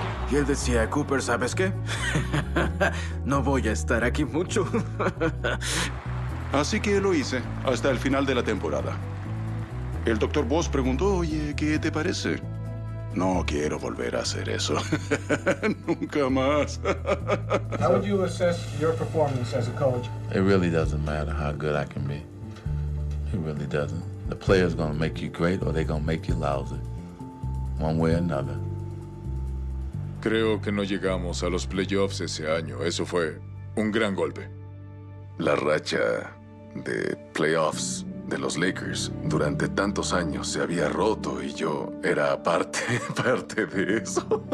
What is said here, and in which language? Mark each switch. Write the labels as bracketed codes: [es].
[es] Y él decía, Cooper, ¿sabes qué? No voy a estar aquí mucho. Así que lo hice hasta el final de la temporada. El doctor Voss preguntó, oye, ¿qué te parece? No quiero volver a hacer eso. Nunca más. [en] How would you assess your performance as a coach? It really doesn't matter how good I can be. It really doesn't. The player's gonna make you great or they're gonna make you lousy. One way or another. [es] Creo que no llegamos a los playoffs ese año. Eso fue un gran golpe. La racha de playoffs de los Lakers durante tantos años se había roto y yo era parte de eso.